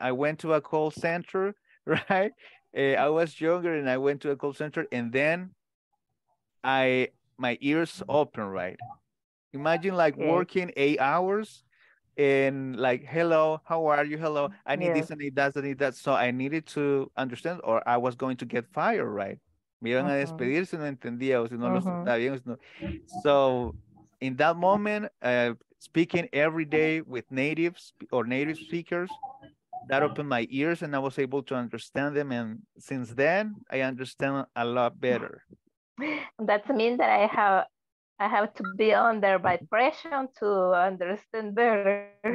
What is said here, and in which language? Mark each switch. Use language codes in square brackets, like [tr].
[en] I went to a call center, right? I was younger and I went to a call center and then my ears opened, right? Imagine like working 8 hours and like, hello, how are you? Hello, I need this, I need that, I need that. So I needed to understand or I was going to get fired, right? [es] Me iban a despedir si no entendía o si no lo sentaba bien. [en] So in that moment, speaking every day with natives or native speakers, that opened my ears and I was able to understand them. And since then, I understand a lot better. That means that I have to be under vibration to understand better.